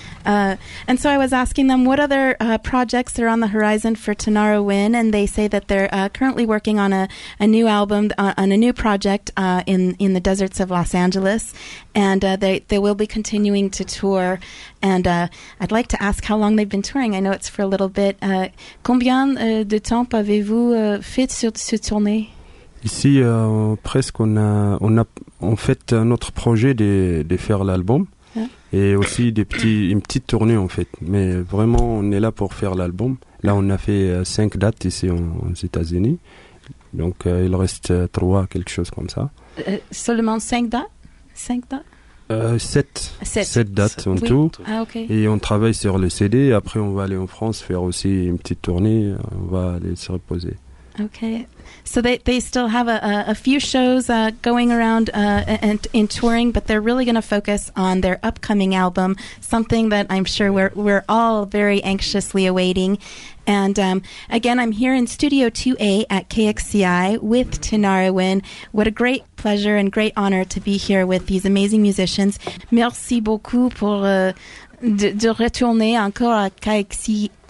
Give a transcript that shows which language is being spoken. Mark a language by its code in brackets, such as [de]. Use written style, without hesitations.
[en] And so, I was asking them what other projects are on the horizon for Tanara Wynn, and they say that they're currently working on a new album, on a new project in the deserts of Los Angeles, and they will be continuing to tour. And I'd like to ask how long they've been touring. I know it's for a little bit. [fr] Combien de temps avez-vous fait sur ce tournée? Ici, presque, on a en fait notre projet de faire l'album, hein? Et aussi une petite tournée en fait. Mais vraiment, on est là pour faire l'album. Là, on a fait 5 dates ici aux États-Unis. Donc, il reste 3, quelque chose comme ça. Seulement 5 dates? 5 dates? 7 dates en oui. tout. Ah, okay. Et on travaille sur le CD. Après, on va aller en France faire aussi une petite tournée. On va aller se reposer. Okay. [en] So they still have a few shows going around and in touring, but they're really going to focus on their upcoming album, something that I'm sure we're all very anxiously awaiting. And again, I'm here in Studio 2A at KXCI with Tenara Nguyen. What a great pleasure and great honor to be here with these amazing musicians. [fr] Merci beaucoup pour de retourner encore à KXCI.